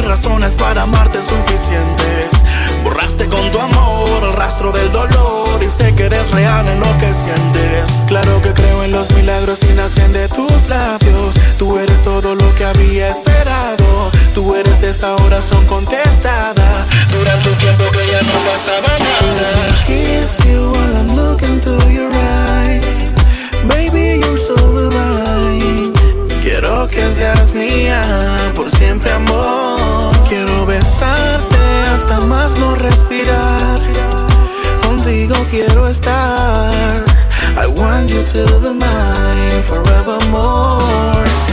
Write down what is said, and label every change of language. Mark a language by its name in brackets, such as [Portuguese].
[Spanish] Razones para amarte suficientes. Borraste con tu amor el rastro del dolor. Y sé que eres real en lo que sientes. Claro que creo en los milagros y nacen de tus labios. Tú eres todo lo que había esperado. Tú eres esa oración contestada. Durante un tiempo que ya no pasaba nada. [English] Let me kiss you while I'm looking to your eyes. Baby, you're so divine. [Spanish] Quiero que seas mía, por siempre amor. Quiero besarte hasta más [English] a star. I want you to be mine forevermore.